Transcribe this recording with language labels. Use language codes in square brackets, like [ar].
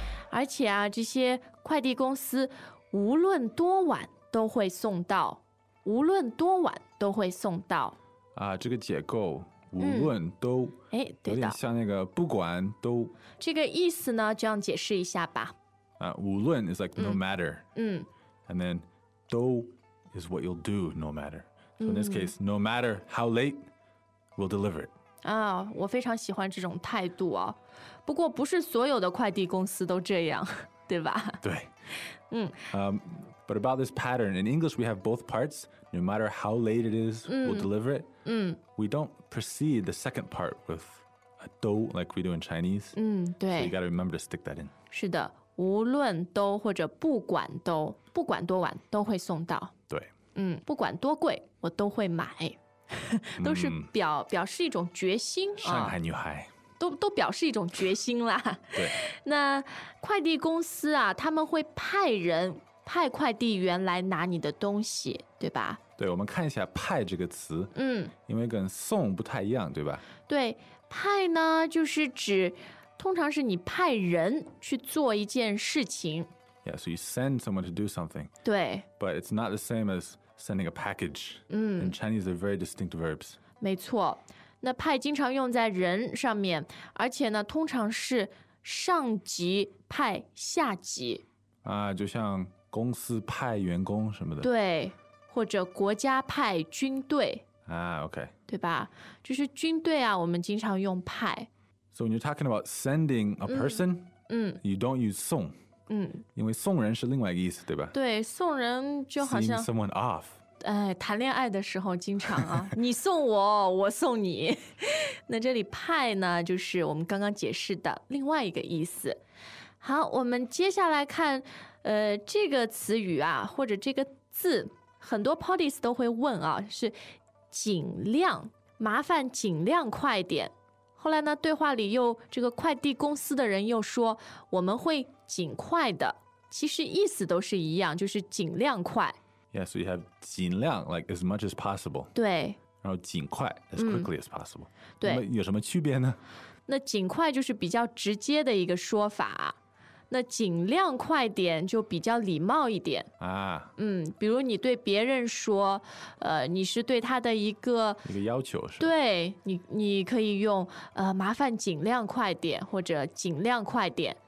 [zh] 而且啊，这些快递公司无论多晚都会送到，无论多晚都会送到。啊，这个解构无论都，哎，有点像那个不管都。这个意思呢，这样解释一下吧。 [en] 啊，无论 is like no matter. [zh] 嗯。 [en] And then, 都 is what you'll do no matter. So in this case, no matter how late, we'll deliver it. [zh] 啊，我非常喜欢这种态度哦。不过不是所有的快递公司都这样，对吧？对。嗯。 [en] But about this pattern, in English we have both parts. No matter how late it is, we'll deliver it. We don't precede the second part with a 都 like we do in Chinese. [zh] 对。 [en] So you gotta remember to stick that in. [zh] 是的，无论都或者不管都，不管多晚都会送到。对。不管多贵我都会买。都是表示一种决心。上海女孩。都表示一种决心啦。对。那快递公司啊，他们会派人派快递员来拿你的东西，对吧？对，我们看一下派这个词。因为跟送不太一样，对吧？对，派呢就是指通常是你派人去做一件事情。 [en] Yeah, so you send someone to do something. [zh] 对。 [en] But it's not the same as sending a package. In Chinese, they're very distinct verbs. [zh] 没错，那派经常用在人上面，而且呢通常是上级派下级。啊，就像公司派员工什么的，对，或者国家派军队啊 ，OK，对吧？就是军队啊，我们经常用派。 [en] So when you're talking about sending a person, you don't use 送，因为送人是另外一个意思，对吧？ [zh] 对，送人就好像 [en] seeing someone off。 [zh] 哎，谈恋爱的时候经常啊，你送我，我送你。那这里派呢，就是我们刚刚解释的另外一个意思。好，我们接下来看。这个词语啊，或者这个字，很多 podis 都会问啊，是尽量麻烦，尽量快点。后来呢，对话里又这个快递公司的人又说我们会尽快的，其实意思都是一样，就是尽量快。 [en] Yeah, so you have 尽量 like as much as possible. [zh] 对。 [en] 然后尽快 as quickly as possible. [zh] 对。那么有什么区别呢？那尽快就是比较直接的一个说法。那尽量快点就比较礼貌一点啊，比如你对别人说，你是对他的一个要求是吧？对，你可以用麻烦尽量快点或者尽量快点。